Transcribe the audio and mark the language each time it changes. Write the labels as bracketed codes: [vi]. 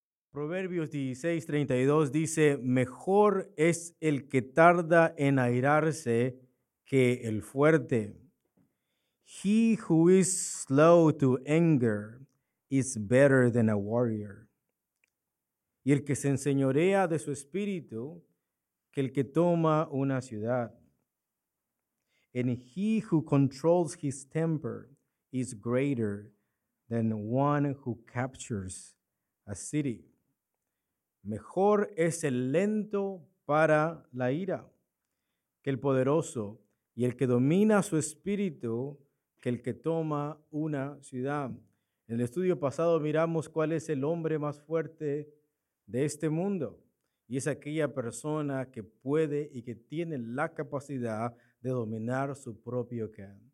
[es] Proverbios 16:32 dice: mejor es el que tarda en airarse que el fuerte. [en] He who is slow to anger is better than a warrior. [es] Y el que se enseñorea de su espíritu que el que toma una ciudad. [en] And he who controls his temper is greater than one who captures a city. [es] Mejor es el lento para la ira que el poderoso, y el que domina su espíritu que el que toma una ciudad. En el estudio pasado miramos cuál es el hombre más fuerte de este mundo, y es aquella persona que puede y que tiene la capacidad de dominar su propio ¿qué?